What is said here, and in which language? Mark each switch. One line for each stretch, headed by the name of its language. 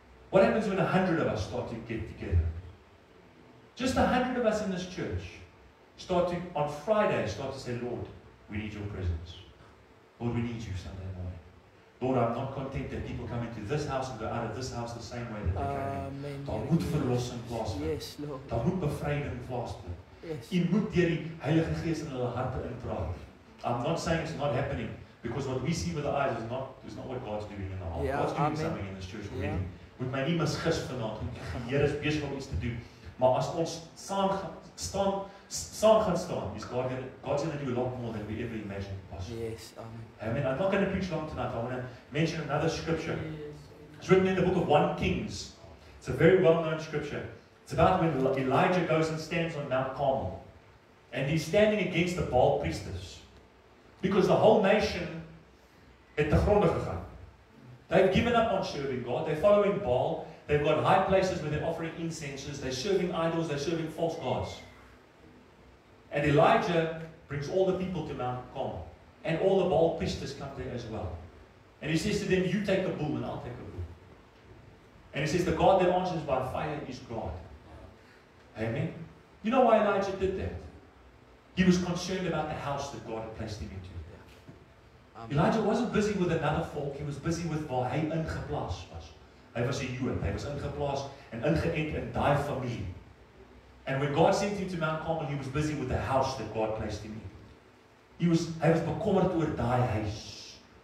English: What happens when 100 of us start to get together? Just 100 of us in this church start to say, Lord, we need your presence. Lord, we need you Sunday morning. Lord, I'm not content that people come into this house and go out of this house the same way that they came in.
Afrikaans: Daar moet verlossing plaasvind.
English: Yes, Lord.
Afrikaans: Daar moet bevryding plaasvind.
English: Yes.
Afrikaans: Jy moet deur die Heilige Gees in hulle harte intraat.
English: I'm not saying it's not happening, because what we see with the eyes is not what God's doing in the heart. Yeah, God's doing amen. Something in this church already.
Afrikaans: Moet my nie misgis vanaand, want die Here is besig om iets te doen. Maar as ons saam gaan staan, is
English: God's going to do a lot more than we ever imagined possible. Yes, amen. Amen. I'm not going to preach long tonight. I want to mention another scripture. It's written in the book of 1 Kings. It's a very well-known scripture. It's about when Elijah goes and stands on Mount Carmel. And he's standing against the Baal priestess. Because the whole nation
Afrikaans: het te gronde gegaan.
English: They've given up on serving God. They're following Baal. They've got high places where they're offering incenses. They're serving idols. They're serving false gods. And Elijah brings all the people to Mount Carmel. And all the Baal priests come there as well. And he says to them, you take a bull and I'll take a bull. And he says, the God that answers by fire is God. Amen. You know why Elijah did that? He was concerned about the house that God had placed him into. Elijah wasn't busy with another folk, he was busy with
Afrikaans: waar hy ingeplaas was. Hy was 'n Jood, hy was ingeplaas en ingeënt in daai familie.
English: And when God sent him to Mount Carmel, he was busy with the house that God placed him in.
Afrikaans: Hy was bekommerd oor daai huis.